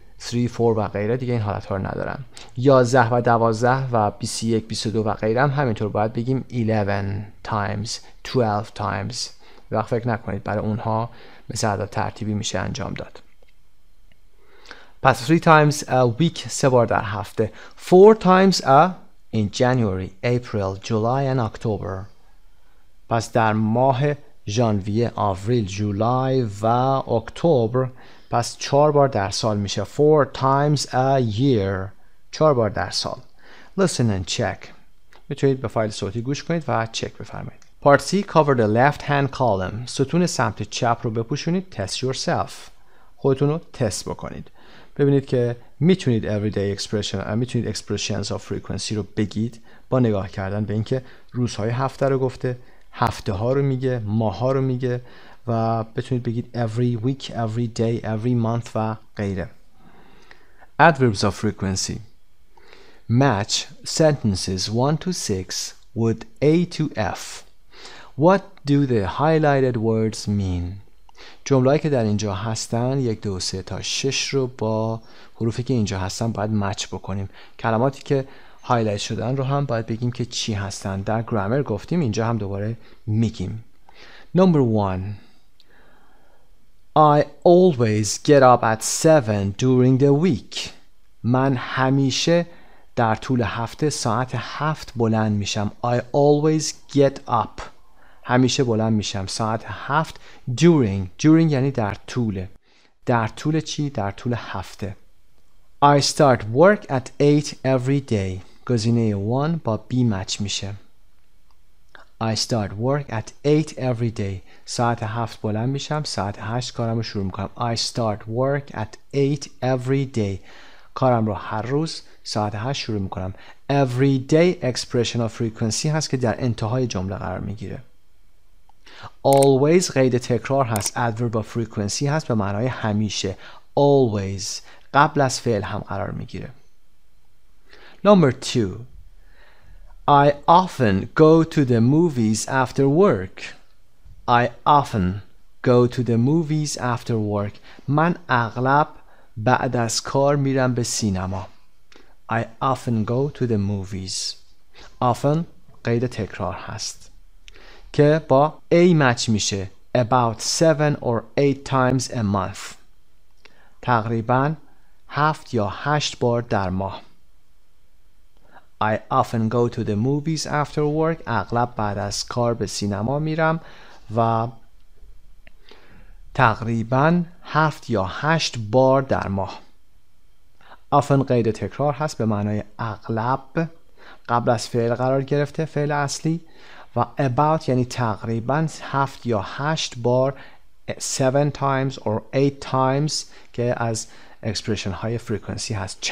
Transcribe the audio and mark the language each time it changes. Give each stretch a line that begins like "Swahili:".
Persian: 3-4 و غیره دیگه این حالتها رو ندارن. 11 و 12 و 21 22 و غیره هم همینطور باید بگیم
English: 11 times 12 times.
Persian: وقت فکر نکنید برای اونها مثل عدد ترتیبی میشه انجام داد. پس
English: 3 times a week
Persian: سه بار در هفته.
English: 4 times a in January, April, July and October.
Persian: پس در ماه ژانویه، آوریل، جولای و اکتبر، پس 4 بار در سال میشه.
English: 4 times a year،
Persian: 4 بار در سال.
English: Listen and check.
Persian: میتونید به فایل صوتی گوش کنید و چک بفرمایید.
English: Part C, cover the left hand column.
Persian: ستون سمت چپ رو بپوشونید.
English: Test yourself.
Persian: خودتون رو تست بکنید. ببینید که میتونید everyday expression و میتونید expressions of frequency رو بگید با نگاه کردن به اینکه روزهای هفته رو گفته، هفته ها رو میگه، ماه ها رو میگه و بتونید بگید
English: every week, every day, every month
Persian: و غیره.
English: Adverbs of frequency. Match sentences 1 to 6 with A to F. What do the highlighted words mean؟
Persian: جمله‌ای که در اینجا هستن 1, 2, 3 تا 6 رو با حروفی که اینجا هستن باید مچ بکنیم. کلماتی که هایلایت شدن رو هم باید بگیم که چی هستن. در گرامر گفتیم، اینجا هم دوباره میگیم.
English: Number 1. I always get up at 7 during the week.
Persian: من همیشه در طول هفته ساعت 7 بلند میشم.
English: I always get up.
Persian: همیشه بلند میشم ساعت 7 during یعنی در طول. در طول چی؟ در طول هفته.
English: I start work at 8 every day.
Persian: گزینه 1 با
English: B match میشه. I start work at 8 every day.
Persian: ساعت 7 بلند میشم، ساعت 8 کارم رو شروع میکنم.
English: I start work at 8 every day.
Persian: کارم رو هر روز ساعت 8 شروع میکنم.
English: Every day expression of frequency
Persian: هست که در انتهای جمله قرار میگیره. Always قید تکرار هست.
English: Adverb of frequency
Persian: هست به معنای همیشه. Always قبل از فعل هم قرار میگیره.
English: Number 2. I often go to the movies after work. I often go to the movies after work.
Persian: من اغلب بعد از کار میرم به سینما.
English: I often go to the movies. Often
Persian: قید تکرار هست که با A match میشه.
English: About 7 or 8 times a month.
Persian: تقریبا 7 یا 8 بار در ماه.
English: I often go to the movies after work.
Persian: اغلب بعد از کار به سینما میرم و تقریبا 7 یا 8 بار در ماه. Often قید تکرار هست به معنای اغلب، قبل از فعل قرار گرفته، فعل اصلی، و about یعنی تقریبا 7 یا 8 بار،
English: 7 times or 8 times
Persian: که از expression های frequency هست.